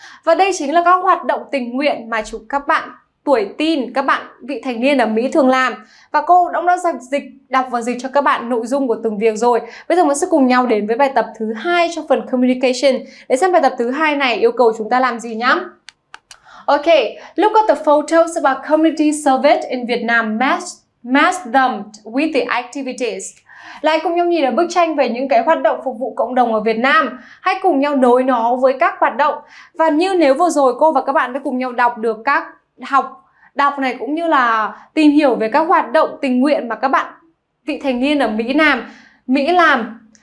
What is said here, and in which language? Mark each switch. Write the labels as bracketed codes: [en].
[vi] Và đây chính là các hoạt động tình nguyện mà các bạn tuổi teen, các bạn vị thành niên ở Mỹ thường làm. Và cô cũng đã đọc và dịch cho các bạn nội dung của từng việc rồi. Bây giờ mình sẽ cùng nhau đến với bài tập thứ hai trong phần communication, để xem bài tập thứ hai này yêu cầu chúng ta làm gì nhá. [en] Okay, look at the photos about community service in Vietnam, Match them with the activities. [vi] Lại cùng nhau nhìn ở bức tranh về những cái hoạt động phục vụ cộng đồng ở Việt Nam. Hãy cùng nhau nối nó với các hoạt động. Và như nếu vừa rồi cô và các bạn đã cùng nhau đọc được các đọc này cũng như là tìm hiểu về các hoạt động tình nguyện mà các bạn vị thành niên ở Mỹ làm.